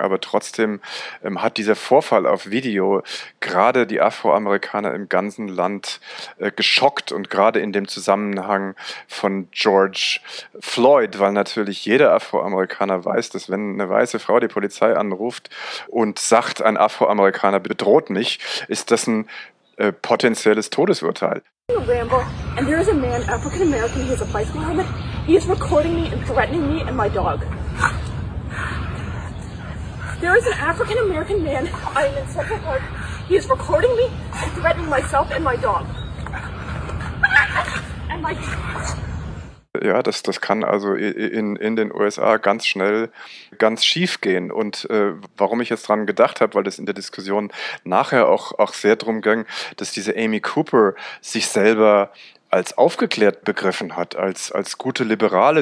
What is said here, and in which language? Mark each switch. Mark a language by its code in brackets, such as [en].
[de] Aber trotzdem hat dieser Vorfall auf Video gerade die Afroamerikaner im ganzen Land geschockt und gerade in dem Zusammenhang von George Floyd, weil natürlich jeder Afroamerikaner weiß, dass wenn eine weiße Frau die Polizei anruft und sagt, ein Afroamerikaner bedroht mich, ist das ein potenzielles Todesurteil. [en] And there is a man, African American, who has a bicycle helmet. He is recording me and threatening me and my dog. There is an African American man. I am in Central Park. He is recording me and threatening myself and my dog. And my. [de] Ja, das kann also in den USA ganz schnell ganz schief gehen. Und warum ich jetzt dran gedacht habe, weil das in der Diskussion nachher auch sehr drum ging, dass diese Amy Cooper sich selber als aufgeklärt begriffen hat, als gute Liberale.